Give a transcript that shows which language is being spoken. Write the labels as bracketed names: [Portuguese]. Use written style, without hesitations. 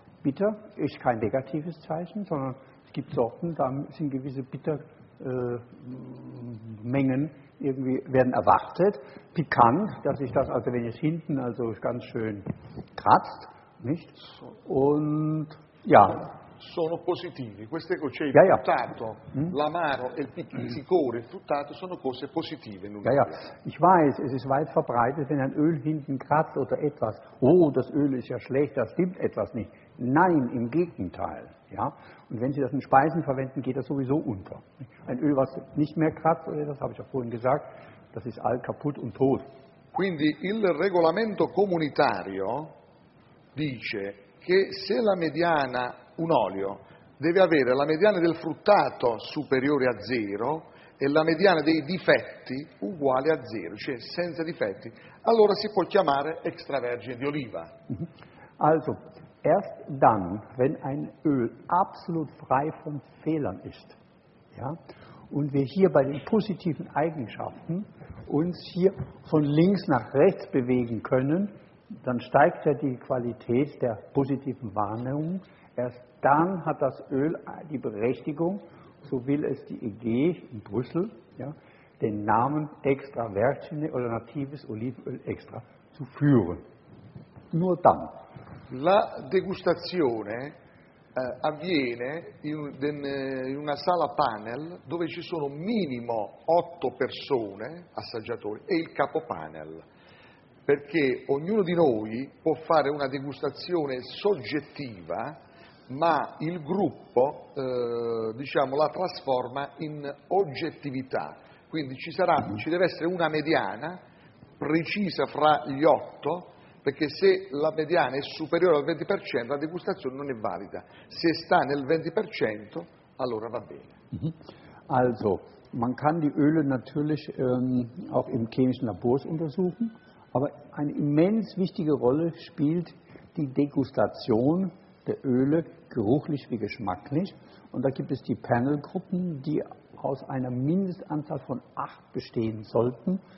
[German] Bitter ist kein negatives Zeichen, sondern es gibt Sorten, da sind gewisse Bittermengen irgendwie werden erwartet. Pikant, dass ich das, also wenn es hinten also ganz schön kratzt, nicht? Und ja. [Italian] Sono positivi, queste cose, cioè il fruttato, l'amaro e il sicore, il fruttato sono cose positive. [German] Ja, ich weiß, es ist weit verbreitet, wenn ein Öl hinten kratzt oder etwas, oh, das Öl ist ja schlecht, da stimmt etwas nicht. Nein, im Gegenteil. Ja? Und wenn Sie das in Speisen verwenden, geht das sowieso unter. Ein Öl, was nicht mehr kratzt, oder das habe ich auch vorhin gesagt, das ist alt, kaputt und tot. [Italian] Quindi il regolamento comunitario dice che se la mediana, un olio, deve avere la mediana del fruttato superiore a zero e la mediana dei difetti uguale a zero, cioè senza difetti, allora si può chiamare extravergine di oliva. [German] Also, erst dann, wenn ein Öl absolut frei von Fehlern ist, ja, und wir hier bei den positiven Eigenschaften uns hier von links nach rechts bewegen können, dann steigt ja die Qualität der positiven Wahrnehmung. Erst dann hat das Öl die Berechtigung, so will es die EG in Brüssel, ja, den Namen extra vergine oder natives Olivenöl extra zu führen. Nur dann. [Italian] La degustazione avviene in una sala panel dove ci sono minimo 8 persone, assaggiatori, e il capo panel. Perché ognuno di noi può fare una degustazione soggettiva, ma il gruppo la trasforma in oggettività. Quindi ci deve essere una mediana precisa fra gli 8, perché se la mediana è superiore al 20%, la degustazione non è valida. Se sta nel 20%, allora va bene. [German] Also, man kann die Öle natürlich auch im chemischen Labor untersuchen. Aber eine immens wichtige Rolle spielt die Degustation der Öle, geruchlich wie geschmacklich. Und da gibt es die Panelgruppen, die aus einer Mindestanzahl von 8 bestehen sollten.